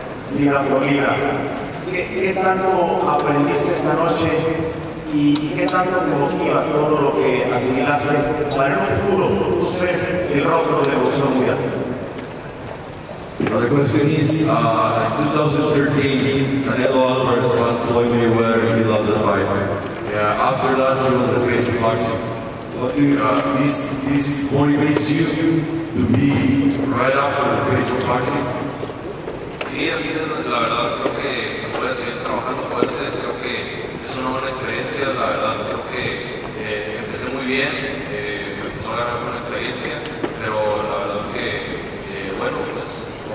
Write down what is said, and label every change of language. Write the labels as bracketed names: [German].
[Spanish] Mira por mira, ¿qué tanto aprendiste esta noche ¿Y qué tanto te motiva todo lo que asimilaste para en un futuro tú ser el rostro de la opción mundial? [English] Well, the question is, in 2013, Canelo Alvarez fought Floyd Mayweather and he lost the fight. Yeah, after that, he was a face of boxing. What do you, this motivates you to be right after the face of boxing? [Spanish] Sí, así es, la verdad, creo que voy a seguir trabajando fuerte. Creo que es una buena experiencia, la verdad, creo que empecé muy bien, empezó a ganar buena experiencia, pero la verdad que, bueno, pues,